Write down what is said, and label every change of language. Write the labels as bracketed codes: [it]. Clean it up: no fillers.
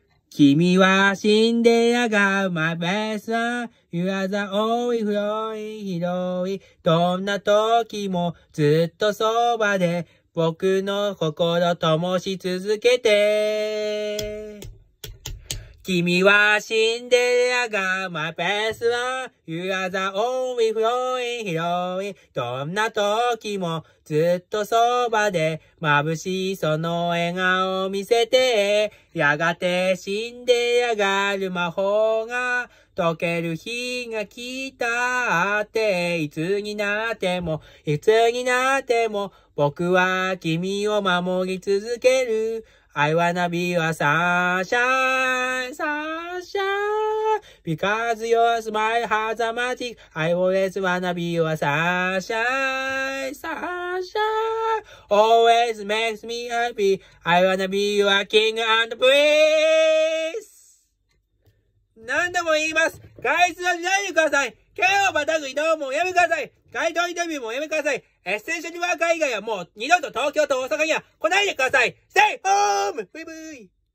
[ja] 君はシンデレラガール、マイベースワン。 [en] You are the only flowing hero. [ja] どんな時もずっとそばで僕の心灯し続けて。君はシンデレラガール、マイベースワン。 [en] You are the only flowing hero. [ja] どんな時もずっとそばで眩しいその笑顔を見せて、やがてシンデレラガール魔法が溶ける日が来たって、いつになっても、いつになっても、僕は君を守り続ける。 [en] I wanna be your sunshine, sunshine. Because your smile has a magic. I always wanna be your sunshine, sunshine. Always makes me happy. I wanna be your king and prince. [ja] 何度も言います。外出はしないでください。剣をまたぐ移動もやめください。街頭インタビューもやめください。エッセンシャルワーカー以外はもう二度と東京と大阪には来ないでください。ステイホーム！ブイブイ！